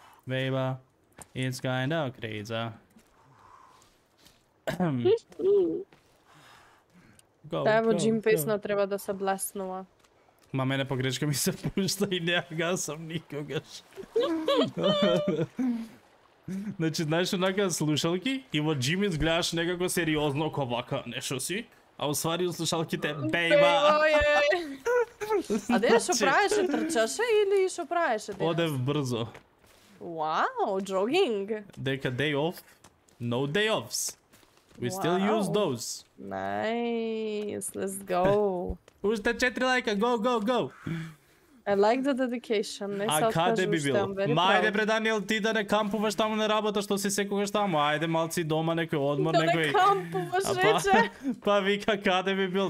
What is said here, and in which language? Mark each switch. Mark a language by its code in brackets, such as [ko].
[en] Бейба, it's kinda crazy. [mk] Таа во джим песна треба да се бласнува. Ма мене по грешка ми се пушта и не ја гасам никогаш. Значи, знаеш однака слушалки и во джим изгледаш некако сериозно ко вака, нешо си? А усвари у слушалките, бейба! А де шо правеше, трчаше или шо правеше? Одев брзо. Вау, джогинг! Дека [en] day off, no day offs. We still use those. Nice, let's go. [mk] Уште 4 лайка, [en] go! I like the dedication. [mk] А каде би било? Мајде бре Даниел, ти да не кампуваш таму на работа што си секогаш таму. Ајде малци дома некој одмор некој. Да не кампуваш рече. Па вика каде би било?